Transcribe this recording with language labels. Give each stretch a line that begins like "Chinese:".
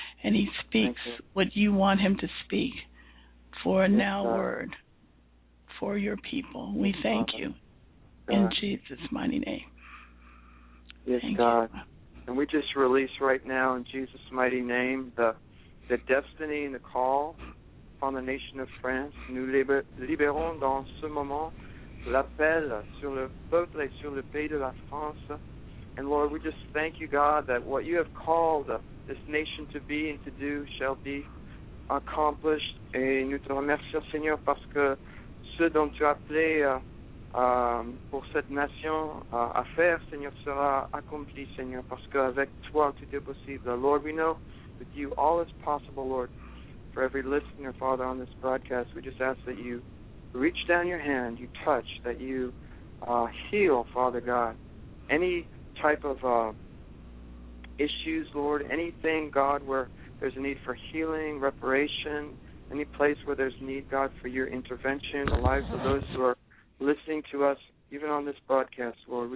English: And he speaks what you want him to speak for a now word for your people. We thank you in Jesus' mighty name. Yes, thank God. You. And we just release right now in Jesus' mighty name the destiny and the call on the nation of France.
French: Nous libérons dans ce moment l'appel sur le peuple et sur le pays de la France.
English: And Lord, we just thank you, God, that what you have called this nation to be and to do shall be accomplished.
French: Et nous te remercions, Seigneur, parce que ce dont tu as appelé pour cette nation à faire, Seigneur, sera accompli, Seigneur, parce qu'avec toi, tout est possible.
English: Lord, we know with you all is possible, Lord, for every listener, Father, on this broadcast. We just ask that you reach down your hand, you touch, that you heal, Father God, any type of issues, Lord, anything, God, where there's a need for healing, reparation, any place where there's need, God, for your intervention, the lives of those who are listening to us, even on this broadcast, Lord.